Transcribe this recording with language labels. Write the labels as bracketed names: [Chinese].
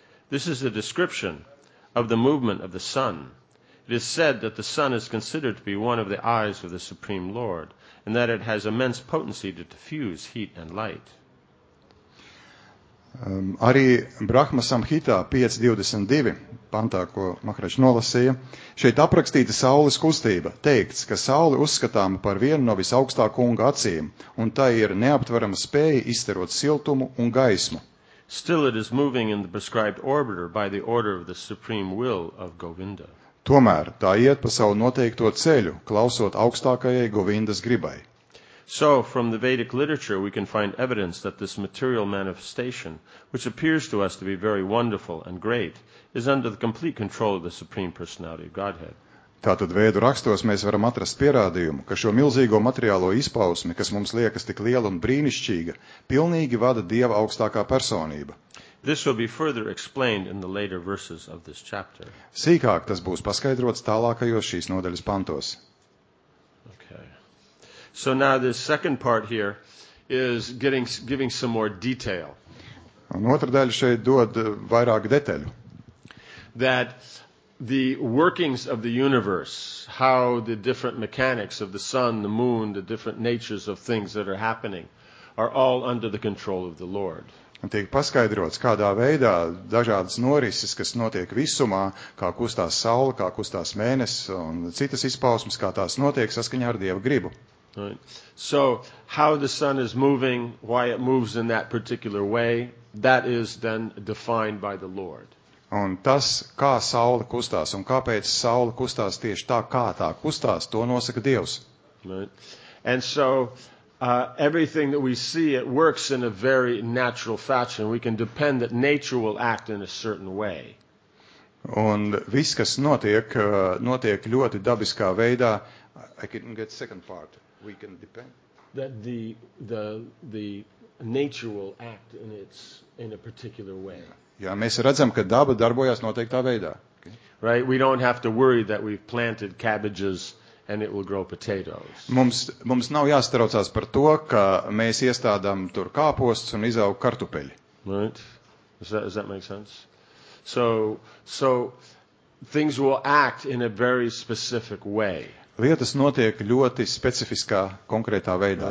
[English] This is a description of the movement of the sun. It is said that the sun is considered to be one of the eyes of the Supreme Lord, and that it has immense potency to diffuse heat and light. [Latvian] Arī Brahma Samhita 5.22, pantā, ko Makrač nolasīja, šeit aprakstīta saules kustība, teikts, ka saule uzskatāma par vienu no visaugstā kunga acīm, un tā ir neaptverama spēja izterot siltumu un gaismu. [English] Still it is moving in the prescribed orbiter by the order of the supreme will of Govinda. [Latvian] Tomēr tā iet pa savu noteikto ceļu, klausot augstākajai Govindas gribai. [English] So, from the Vedic literature, we can find evidence that this material manifestation, which appears to us to be very wonderful and great, is under the complete control of the Supreme Personality of Godhead. [Latvian] Tātad Vēdu rakstos mēs varam atrast pierādījumu, ka šo milzīgo materiālo izpausmi, kas mums liekas tik liela un brīnišķīga, pilnīgi vada Dieva augstākā personība. [English] This will be further explained in the later verses of this chapter. [Latvian] Sīkāk tas būs paskaidrots tālākajos šīs nodaļas pantos. [English] Okay. So now this second part here is giving some more detail. [Latvian] Un otra daļa šeit dod vairāk detaļu. [English] That the workings of the universe, how the different mechanics of the sun, the moon, the different natures of things that are happening, are all under the control of the Lord. [Latvian] Un tiek paskaidrots, kādā veidā dažādas norises, kas notiek visumā, kā kustās saule, kā kustās mēnesis un citas izpausmes, kā tās notiek saskaņā ar Dieva gribu. [English] Right. So, how the sun is moving, why it moves in that particular way, that is then defined by the Lord. [Latvian] Un tas, kā saule kustās un kāpēc saule kustās tieši tā, kā tā kustās, to nosaka Dievs. [English] Right. And so, everything that we see, it works in a very natural fashion. We can depend that nature will act in a certain way. [Latvian] Un viss, kas notiek, notiek ļoti dabiskā veidā. [English] I couldn't get the second part. We can depend. That the nature will act in a particular way. [Latvian] Jā, mēs redzam, ka daba darbojas noteiktā veidā. [English] Okay. Right? We don't have to worry that we've planted cabbages and it will grow potatoes. [Latvian] Mums nav jāstraucās par to, ka mēs iestādām tur kāpostus un izaug kartupeļi. [English] Right? Does that make sense? So things will act in a very specific way. [Latvian] Lietas notiek ļoti specifiskā, konkrētā veidā.